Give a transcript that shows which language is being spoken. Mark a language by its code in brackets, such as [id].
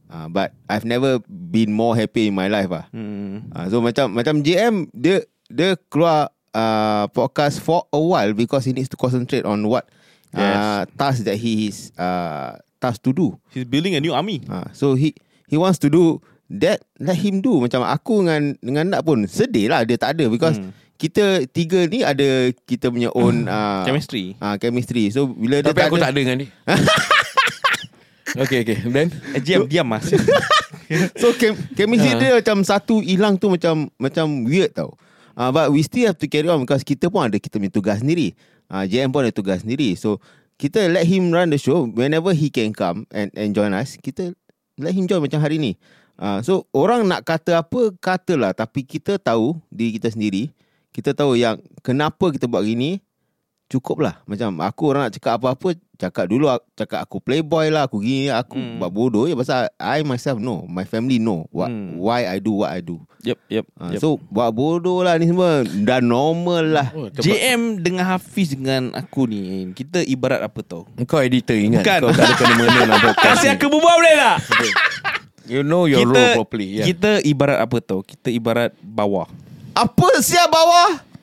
[en] But I've never been more happy in my life lah. So [ms] macam JM, dia keluar podcast [en] for a while because he needs to concentrate on what task that he is task to do. He's building a new army. So he wants to do that, let him do. [ms] Macam aku dengan nak pun sedih lah dia tak ada [en] because [ms] kita tiga ni ada kita punya own [en] chemistry. [ms] So bila tapi aku tak ada dengan dia. [en] Okay. Then [ms] JM diam mas. So chemistry dia macam satu hilang tu macam weird tau. [en] But we still have to carry on because [ms] kita pun ada kita punya tugas sendiri. [en] JM pun ada tugas sendiri. So kita let him run the show whenever he can come and join us. [ms] Kita [en] let him join [ms] macam hari ni. So orang nak kata apa katalah, tapi kita tahu diri kita sendiri. Kita tahu yang kenapa kita buat gini, cukuplah. Macam aku orang nak cakap apa-apa, cakap dulu. Cakap aku playboy lah, aku gini, aku buat bodoh. Ya, pasal [en] I myself know, my family know why I do what I do. Yep. [ms] So, buat bodoh lah ni semua. Dah normal lah. JM dengan Hafiz dengan aku ni, kita ibarat apa tau? Kau editor ingat. Bukan. Kau tak ada kena-mena lah. Kasih aku berbual boleh tak? [en] You know your [ms] kita, [en] role properly. Yeah. [ms] Kita ibarat apa tau? Kita ibarat bawah. Apa siap bawah?